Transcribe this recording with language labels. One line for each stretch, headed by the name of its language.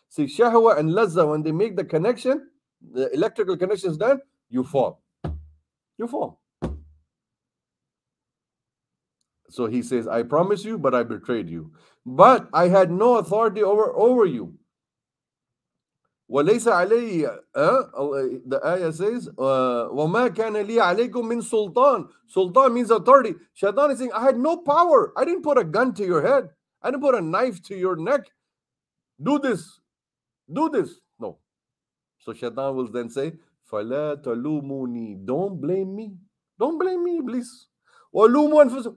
English: See, shahwa and lazza, when they make the connection, the electrical connection is done, you fall. You fall. So he says, I promise you, but I betrayed you. But I had no authority over you.
Arabic: وَلَيْسَ عَلَيْهِ
English: The ayah says,
Arabic: وَمَا كَانَ لِي عَلَيْكُمْ مِنْ سُلْطَانِ.
English: Sultan means authority. Shaitan is saying, I had no power. I didn't put a gun to your head. I didn't put a knife to your neck. Do this. Do this. No. So shaitan will then say,
Arabic: فَلَا تَلُومُونِي.
English: Don't blame me. Don't blame me, Iblis.
Arabic: وَلُومُوا أَنفُسَكُمْ.